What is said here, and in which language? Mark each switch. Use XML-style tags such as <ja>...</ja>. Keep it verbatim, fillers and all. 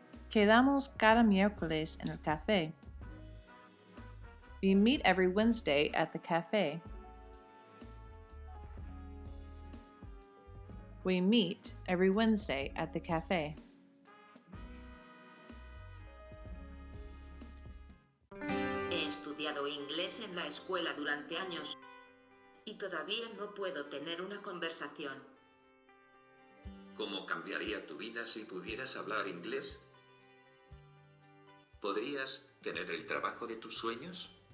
<es>Quedamos cada miércoles en el café.</es> <en>We meet every Wednesday at the cafe. We meet every Wednesday at the cafe.</en> <es>He estudiado inglés en la escuela durante años y todavía no puedo tener una conversación. ¿Cómo cambiaría tu vida si pudieras hablar inglés? ¿Podrías tener el trabajo de tus sueños?</es>